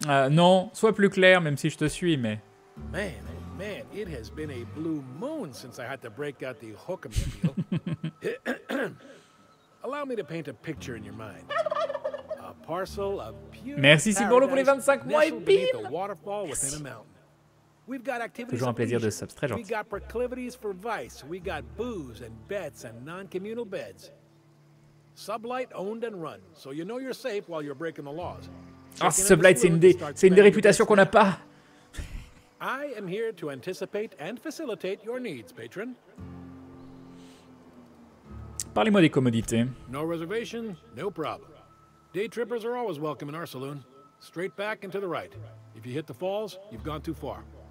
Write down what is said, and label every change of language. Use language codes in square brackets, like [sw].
[fr] Non, sois plus clair, même si je te suis, mais... [en] Man, man, it has been a blue moon since I had to break out the hookamobile. Allow me to paint a picture in your mind. A parcel of pure... [fr] Merci Cibolo pour les 25 mois, [en] et waterfall within a mountain. We've got activities. [fr] Toujours un plaisir de subs, très gentil. [en] We got proclivities for vice, we got booze and bets and non-communal beds. Sublight owned and run, so you know you're safe while you're breaking the laws. [fr] Ah, Sublight, c'est une des réputations qu'on n'a pas. [en] I am here to anticipate and facilitate your needs, patron. [fr] Parlez-moi des commodités. [en] No reservation, no problem. Day trippers are always welcome in our saloon. Straight back and to the right. If you hit the falls, you've gone too far.